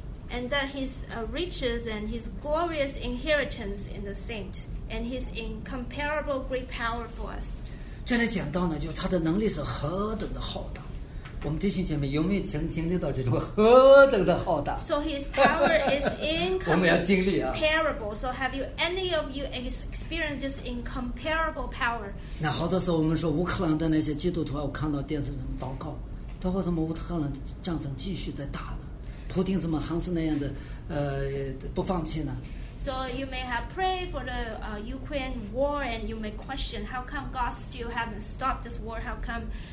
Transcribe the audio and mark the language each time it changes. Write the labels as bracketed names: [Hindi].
[English] And that his riches and his glorious inheritance in the saint and his incomparable great power for us. [Chinese] 这里讲到呢，就是他的能力是何等的浩大。我们弟兄姐妹有没有经历到这种何等的浩大 [English] ？So his power is incomparable. [Chinese] 我们要经历啊。 [English] Comparable. So have you any of you experienced this incomparable power? [Chinese] 那好多时候我们说乌克兰的那些基督徒啊，我看到电视上祷告，祷告怎么乌克兰的战争继续在打呢？普丁怎么还是那样的不放弃呢 [English] ？So you may have prayed for the Ukraine war, and you may question how come God still haven't stopped this war? How come?